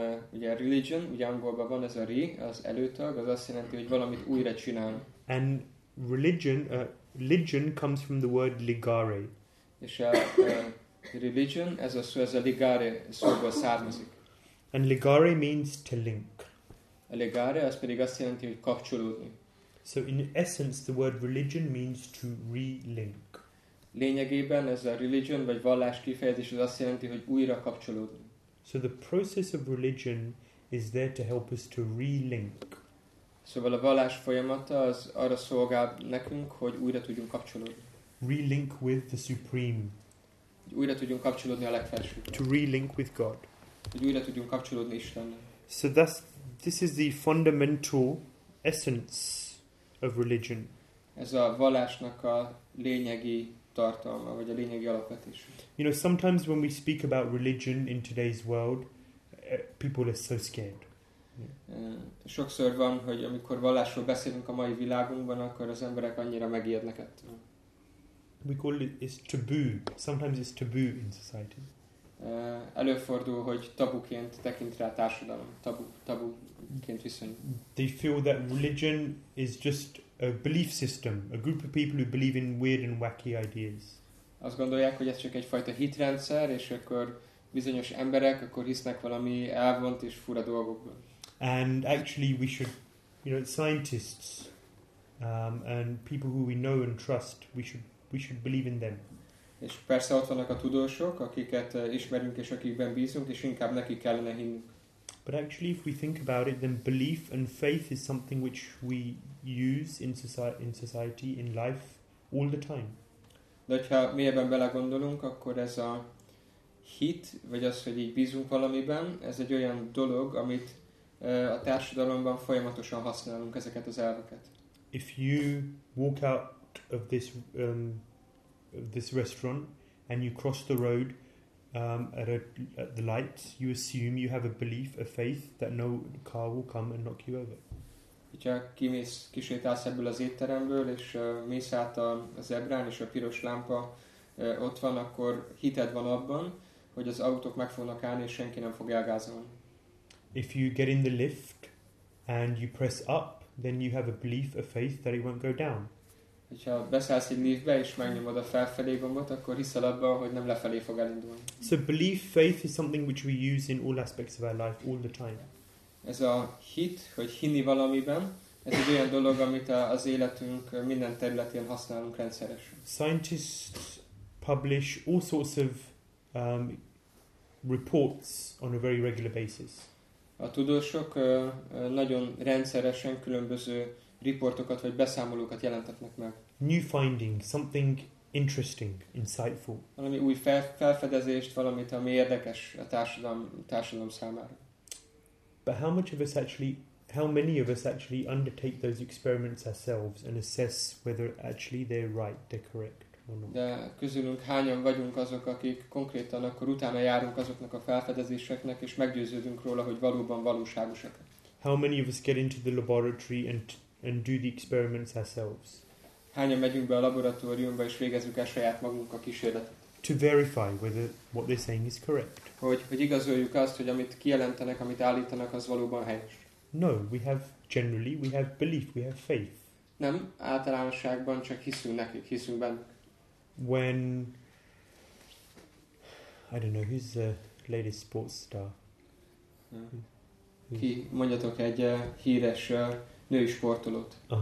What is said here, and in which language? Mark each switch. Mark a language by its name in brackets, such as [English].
[Hungarian] Ugye religion, ugye angolban van ez a re, az előtag, az azt jelenti, hogy valamit újra csinál. [English] And religion, religion comes from the word ligare. [Hungarian] És a religion, ez a szó, ez a ligare szóból származik. [English] And ligare means to link. [Hungarian] A ligare, az pedig azt jelenti, hogy kapcsolódni. [English] So in essence, the word religion means to re-link. [Hungarian] Lényegében ez a religion, vagy vallás kifejezés, az azt jelenti, hogy újra kapcsolódni. [English] So the process of religion is there to help us to re-link. [Hungarian] Szóval a vallás folyamata az arra szolgál nekünk, hogy újra tudjunk kapcsolódni. [English] Relink with the supreme. [Hungarian] Hogy újra tudjunk kapcsolódni a legfelsőbb. [English] To relink with God. [Hungarian] Hogy újra tudjunk kapcsolódni Istennel. [English] So that's, this is the fundamental essence of religion. [Hungarian] Ez a vallásnak a lényegi tartalma, vagy a lényegi alapvetés. [English] You know, sometimes when we speak about religion in today's world, people are so scared. [Hungarian] Sokszor van, hogy amikor vallásról beszélünk a mai világunkban, akkor az emberek annyira megijednek ettől. [English] We call it, it's taboo. Sometimes it's taboo in society. [Hungarian] Előfordul, hogy tabuként tekint rá a társadalom. Tabuként viszony. [English] They feel that religion is just a belief system, a group of people who believe in weird and wacky ideas. [Hungarian] Azt gondolják, hogy ez csak egyfajta hitrendszer, és akkor bizonyos emberek akkor hisznek valami elvont és fura dolgokban. [English] And actually we should, you know, scientists and people who we know and trust, we should believe in them. [Hungarian] És persze ott vannak a tudósok, akiket ismerünk és akikben bízunk, és inkább nekik kellene hinnünk. [English] But actually, if we think about it, then belief and faith is something which we use in society, in life, all the time. [Hungarian] De hogyha mélyebben belegondolunk, akkor ez a hit, vagy az, hogy így bízunk valamiben, ez egy olyan dolog, amit a társadalomban folyamatosan használunk ezeket az elveket. [English] If you walk out of this this restaurant and you cross the road at the lights, you assume you have a belief, a faith that no car will come and knock you over. [Hungarian] Hogyha kisétálsz ebből az étteremből és mész át a zebrán és a piros lámpa ott van, akkor hited van abban, hogy az autók meg fognak állni és senki nem fog elgázolni. [English] If you get in the lift and you press up, then you have a belief, a faith that it won't go down. [Hungarian] Hogyha beszállsz egy liftbe és megnyomod a felfelé gombot, akkor hiszel abban, hogy nem lefelé fog elindulni. [English] So belief, faith is something which we use in all aspects of our life all the time. [Hungarian] Ez a hit, hogy hinni valamiben, ez egy olyan dolog, amit az életünk minden területén használunk rendszeresen. [English] Scientists publish all sorts of reports on a very regular basis. [Hungarian] A tudósok nagyon rendszeresen különböző riportokat vagy beszámolókat jelentetnek meg. [English] New finding, something interesting, insightful. [Hungarian] Valami új felfedezést, valamit, ami érdekes a társadalom számára. [English] But how much of us actually, how many of us actually undertake those experiments ourselves and assess whether actually they're right, they're correct or not? [Hungarian] De közülünk hányan vagyunk azok, akik konkrétan akkor utána járunk azoknak a felfedezéseknek és meggyőződünk róla, hogy valóban valóságosak. [English] How many of us get into the laboratory and do the experiments ourselves. [Hungarian] Hányan megyünk be a laboratóriumba és végezzük el saját magunk a kísérletet. [English] To verify whether what they're saying is correct. [Hungarian] Hogy igazoljuk azt, hogy amit kijelentenek, amit állítanak, az valóban helyes. [English] No, we have generally we have belief, we have faith. [Hungarian] Nem, általánosságban csak hiszünk nekik, hiszünk bennük. [English] When I don't know who's the latest sports star. [Hungarian] Ki, mondjatok egy híres női sportolót.